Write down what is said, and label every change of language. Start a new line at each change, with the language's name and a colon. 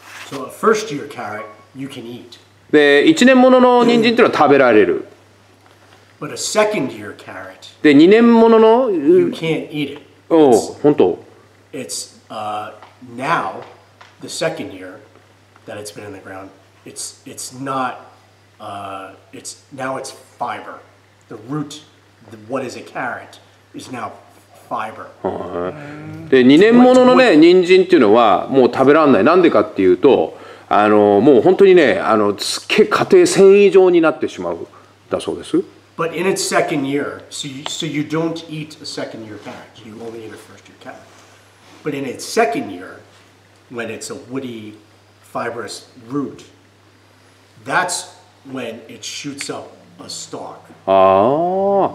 English: So a first year carrot, you can eat.
Japanese: で1年ものの人参っていうのは食べられる。
English: But a second year carrot,
Japanese: で2年ものの
English: you can't eat it.
Japanese: おお、本当。
English: It's now the second year that it's been in the ground. It's not it's now it's fiber. The root, the, what is a carrot, is now fiber.
Japanese: で、2年もののね、人参っていうのはもう食べられない。なんでかっていうと、あのもう本当にね、あのつけ家庭繊維状になってしまうだそうです。
English: But in its second year, so you don't eat a second year carrot, you only eat a first year carrot. But in its second year, when it's a woody, fibrous root, that's when it shoots up a stalk. Ah.